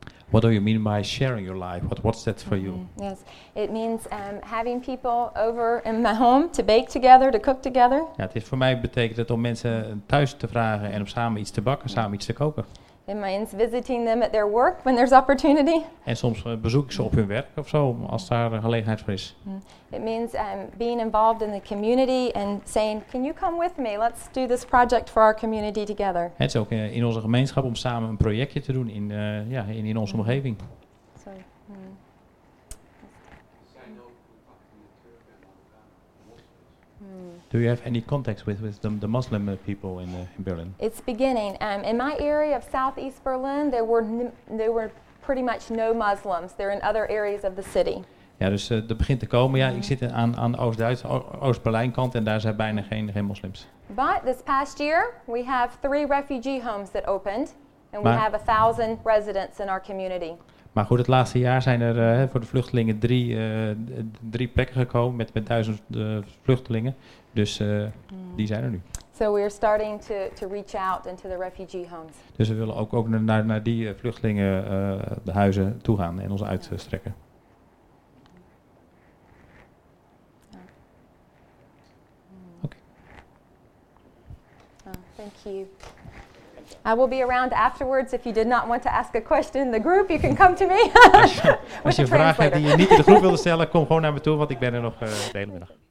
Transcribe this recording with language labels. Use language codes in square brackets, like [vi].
[en] What do you mean by sharing your life? What's that for you? Yes, it means having people over in my home to bake together, to cook together. [nl] Ja, het is voor mij betekent het om mensen thuis te vragen en om samen iets te bakken, samen iets te koken. [en] It means visiting them at their work when there's opportunity. [nl] En soms bezoek ik ze op hun werk of zo, als daar een gelegenheid voor is. [en] It means being involved in the community and saying, can you come with me? Let's do this project for our community together. [nl] Het is ook in onze gemeenschap om samen een projectje te doen in onze omgeving. [en] Do you have any contacts with the Muslim people in Berlin? It's beginning. In my area of southeast Berlin, there were pretty much no Muslims. They're in other areas of the city. [nl] Ja, dus dat begint te komen. Ja, ik zit aan Oost-Berlijn kant en daar zijn bijna geen moslims. [en] But this past year, we have 3 refugee homes that opened, and we have 1,000 residents in our community. [nl] Maar goed, het laatste jaar zijn er voor de vluchtelingen drie plekken gekomen met 1,000 vluchtelingen. Dus die zijn er nu. [en] So we are starting to reach out into the refugee homes. [nl] Dus we willen ook naar die vluchtelingen de huizen toe gaan en ons uitstrekken. [en] Okay. Oh, thank you. I will be around afterwards. If you did not want to ask a question in the group, you can come to me. [nl] Als je vragen hebt die je niet in de groep wilde stellen, kom gewoon naar me toe, want ik ben er nog de hele middag.